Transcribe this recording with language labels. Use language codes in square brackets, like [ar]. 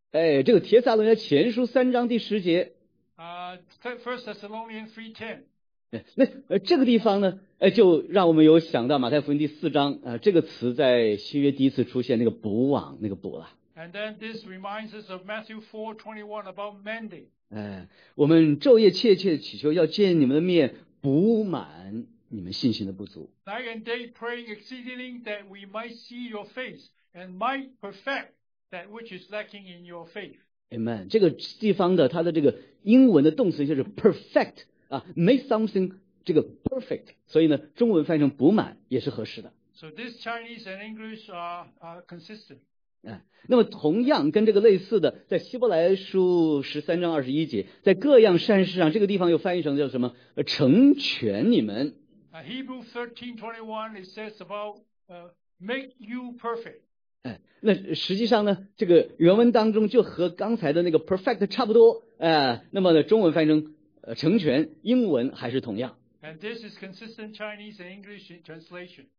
[zh] 哎，这个帖撒罗尼迦前书三章第十节。 [en] First Thessalonians 3:10. [zh] 那这个地方呢，就让我们有想到马太福音第四章这个词在新约第一次出现那个补网那个补了。 [en] And then this reminds us of Matthew 4:21 about mending. [zh] 我们昼夜切切祈求，要见你们的面，补满你们信心的不足。 [en] Night and day praying exceedingly that we might see your face and might perfect that which is lacking in your faith. [zh] Amen. 这个地方的它的这个英文的动词就是 perfect, [en] make something [zh] 这个 perfect, 所以呢中文翻译成补满也是合适的。 [en] So this Chinese and English are consistent. [zh] 那么同样跟这个类似的，在希伯来书十三章二十一节，在各样善事上，这个地方又翻译成叫什么？成全你们。 [en] Hebrew 13:21 it says about make you perfect。 [zh] 那实际上呢，这个原文当中就和刚才的那个 perfect 差不多。那么呢，中文翻译成成全，英文还是同样。 [en] And this is consistent Chinese and English translation.